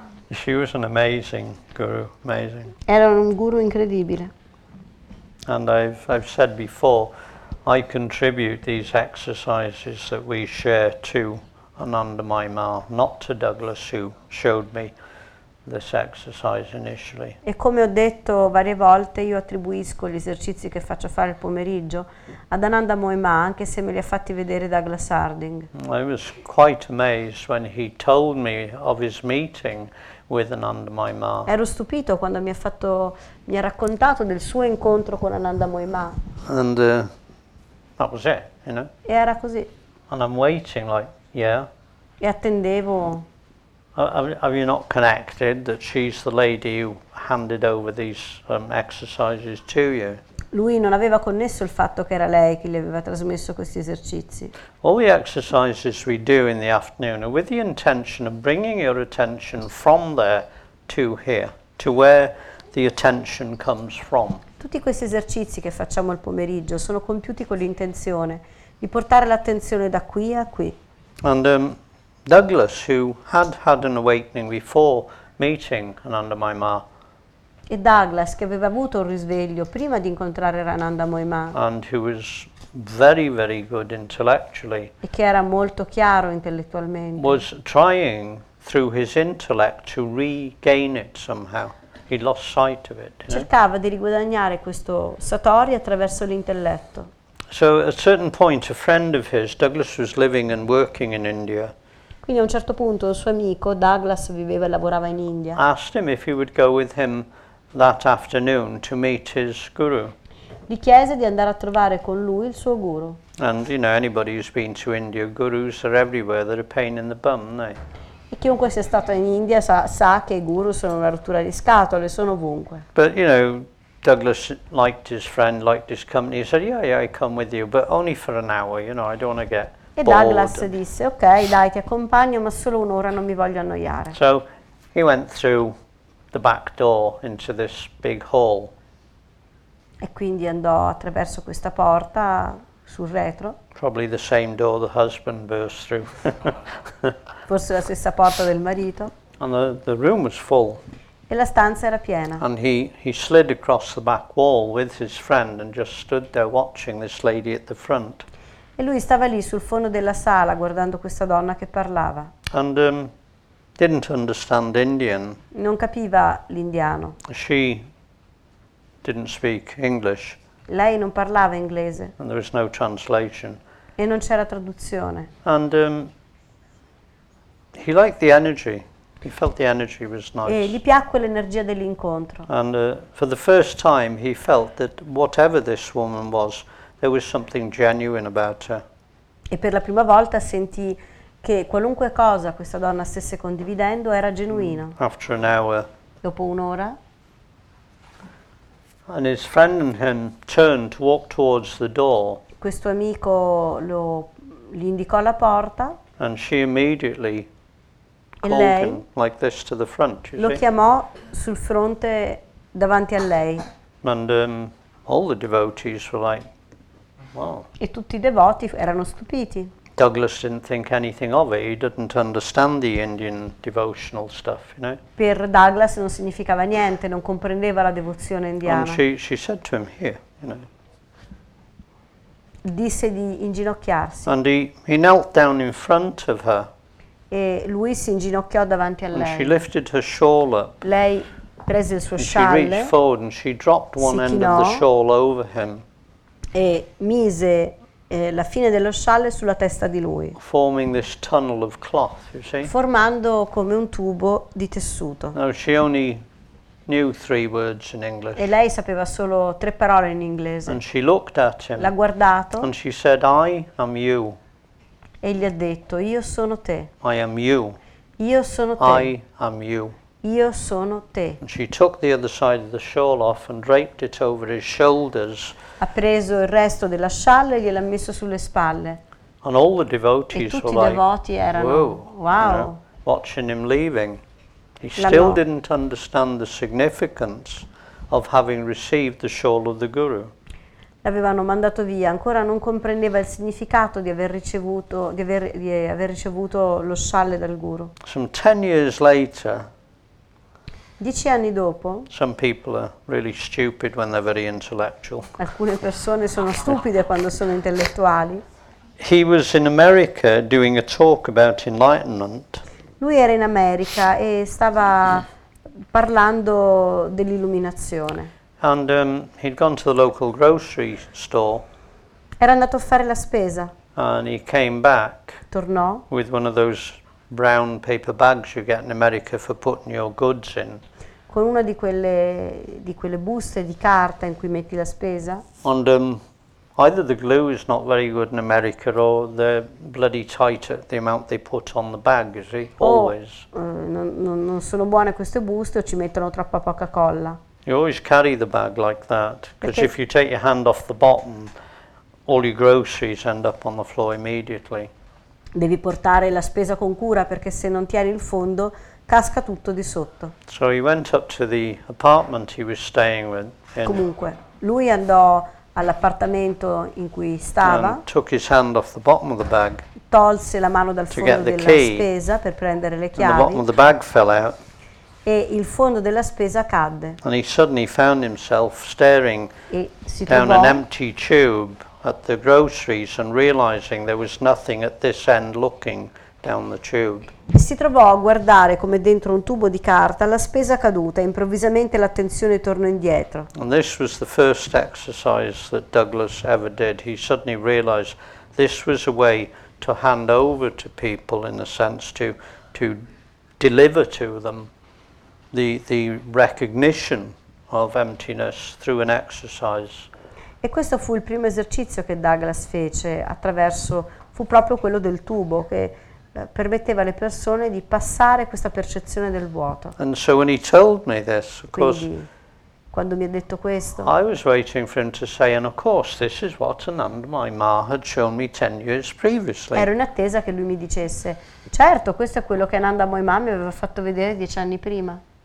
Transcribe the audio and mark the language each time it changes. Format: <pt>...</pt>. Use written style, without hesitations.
<en>She was an amazing guru, amazing.</en> <it>Era un guru incredibile.</it> <en>And I've said before, I contribute these exercises that we share to Ananda Maima, not to Douglas, who showed me this exercise initially.</en> <it>E come ho detto varie volte, io attribuisco gli esercizi che faccio fare il pomeriggio ad Ananda Maima, anche se me li ha fatti vedere Douglas Harding.</it> <en>I was quite amazed when he told me of his meeting with Ananda Maima.</en> <it>Ero stupito quando mi ha raccontato del suo incontro con Ananda Maima.</it> <en>And that was it, you know.</en> <it>E era così.</it> <en>And I'm waiting, like, yeah.</en> <it>E attendevo.</it> <en>Have you not connected that she's the lady who handed over these exercises to you?</en> <it>Lui non aveva connesso il fatto che era lei che gli aveva trasmesso questi esercizi.</it> <en>All the exercises we do in the afternoon are with the intention of bringing your attention from there to here, to where the attention comes from.</en> <it>Tutti questi esercizi che facciamo al pomeriggio sono compiuti con l'intenzione di portare l'attenzione da qui a qui.</it> <en>And Douglas, who had an awakening before meeting Ananda Maima,</en> <it>e Douglas, che aveva avuto un risveglio prima di incontrare Ananda Maima,</it> <en>and who was very, very good intellectually,</en> <it>e che era molto chiaro intellettualmente,</it> <en>was trying through his intellect to regain it somehow. He lost sight of it.</en> <it>Cercava di riguadagnare questo satori attraverso l'intelletto.</it> <en>So at a certain point, a friend of his, Douglas was living and working in India.</en> <it>Quindi a un certo punto il suo amico Douglas viveva e lavorava in India.</it> <en>Asked him if he would go with him that afternoon to meet his guru.</en> <it>Gli chiese di andare a trovare con lui il suo guru.</it> <en>And you know, anybody who's been to India, gurus are everywhere. They're a pain in the bum, aren't they?</en> <it>E chiunque sia stato in India sa che i guru sono una rottura di scatole, sono ovunque.</it> <en>But you know, Douglas liked his friend, liked his company. He said, "Yeah, I come with you, but only for an hour. You know, I don't want to get."</en> <it>E Douglas disse, ok, dai, ti accompagno, ma solo un'ora, non mi voglio annoiare.</it> <en>So, he went through the back door into this big hall.</en> <it>E quindi andò attraverso questa porta, sul retro.</it> <en>Probably the same door the husband burst through.</en> <it>Forse la stessa porta del marito.</it> <en>And the room was full.</en> <it>E la stanza era piena.</it> <en>And he slid across the back wall with his friend and just stood there watching this lady at the front.</en> <it>E lui stava lì sul fondo della sala guardando questa donna che parlava.</it> <en>And didn't understand Indian.</en> <it>Non capiva l'indiano.</it> <en>She didn't speak English.</en> <it>Lei non parlava inglese.</it> <en>And there was no translation.</en> <it>E non c'era traduzione.</it> <en>And he liked the energy. He felt the energy was nice.</en> <it>E gli piacque l'energia dell'incontro.</it> <en>And for the first time he felt that whatever this woman was, there was something genuine about her.</en> <it>E per la prima volta sentì che qualunque cosa questa donna stesse condividendo era genuino.</it> <en>After an hour.</en> <it>Dopo un'ora.</it> <en>And his friend and him turned to walk towards the door.</en> <it>Questo amico lo gli indicò la porta.</it> <en>And she immediately called him like this to the front. You</en> <it>lo chiamò sul fronte davanti a lei.</it> <en>And all the devotees were like, wow.</en> <it>E tutti i devoti erano stupiti.</it> <en>Douglas didn't think anything of it. He didn't understand the Indian devotional stuff, you know.</en> <it>Per Douglas non significava niente, non comprendeva la devozione indiana.</it> <en>And she said to him, here, you know.</en> <it>Disse di inginocchiarsi.</it> <en>And he knelt down in front of her.</en> <it>E lui si inginocchiò davanti a lei.</it> <en>And she lifted her shawl up.</en> <it>Lei prese il suo scialle.</it> <en>She reached forward and she dropped one end of the shawl over him.</en> <it>E mise la fine dello scialle sulla testa di lui.</it> <en>Forming this tunnel of cloth, you see?</en> <it>Formando come un tubo di tessuto.</it> <en>No, she only knew three words in English.</en> <it>E lei sapeva solo tre parole in inglese.</it> <en>And she looked at him.</en> <it>L'ha guardato.</it> <en>And she said, I am you.</en> <it>E gli ha detto, io sono te.</it> <en>I am you.</en> <it>Io sono te.</it> <en>I am you.</en> <it>Io sono te.</it> <en>And she took the other side of the shawl off and draped it over his shoulders.</en> <it>Ha preso il resto della scialle e gliel'ha messo sulle spalle.</it> <en>And all the devotees</en> <it>e tutti</it> <en>were</en> <it>i devoti</it> <en>like,</en> <it>erano,</it> <en>wow. You know, watching him leaving. He still didn't understand the significance of having received the shawl of the guru.</en> <it>L'avevano mandato via, ancora non comprendeva il significato di aver ricevuto di aver ricevuto lo scialle dal guru.</it> <en>Some 10 years later.</en> <it>10 anni dopo.</it> <en>Some people are really stupid when they're very intellectual.</en> <it>Alcune persone sono stupide quando sono intellettuali.</it> <en>He was in America doing a talk about enlightenment.</en> <it>Lui era in America e stava parlando dell'illuminazione.</it> <en>And he'd gone to the local grocery store.</en> <it>Era andato a fare la spesa.</it> <en>And he came back.</en> <it>Tornò.</it> <en>With one of those brown paper bags you get in America for putting your goods in.</en> <it>Con una di quelle buste di carta in cui metti la spesa.</it> <en>And either the glue is not very good in America or they're bloody tight at the amount they put on the bag, you see, always.</en> <it>Non sono buone queste buste o ci mettono troppa poca colla.</it> <en>You always carry the bag like that, because if you take your hand off the bottom, all your groceries end up on the floor immediately.</en> <it>Devi portare la spesa con cura, perché se non tieni il fondo, casca tutto di sotto.</it> <en>So he went up to the apartment he was staying with.</en> <it>Comunque, lui andò all'appartamento in cui stava.</it> <en>And took his hand off the bottom of the bag.</en> <it>Tolse la mano dal fondo della spesa per prendere le chiavi.</it> <en>The bottom of the bag fell out.</en> <it>E il fondo della spesa cadde.</it> <en>And he suddenly found himself staring down an empty tube at the groceries and realizing there was nothing at this end looking down the tube.</en> <it>E si trovò a guardare come dentro un tubo di carta la spesa caduta e improvvisamente l'attenzione tornò indietro.</it> <en>And this was the first exercise that Douglas ever did. He suddenly realized this was a way to hand over to people, in a sense, to deliver to them the recognition of emptiness through an exercise.</en> <it>E questo fu il primo esercizio che Douglas fece attraverso, fu proprio quello del tubo che permetteva alle persone di passare questa percezione del vuoto.</it> <en>And so when he told me this, of course,</en> <it>quindi, quando mi ha detto questo,</it> <en>I was waiting for him to say, and of course this is what Ananda my Ma had shown me 10 years previously.</en> <it>Ero in attesa che lui mi dicesse, certo, questo è quello che Ananda my Ma mi aveva fatto vedere 10 anni prima.</it>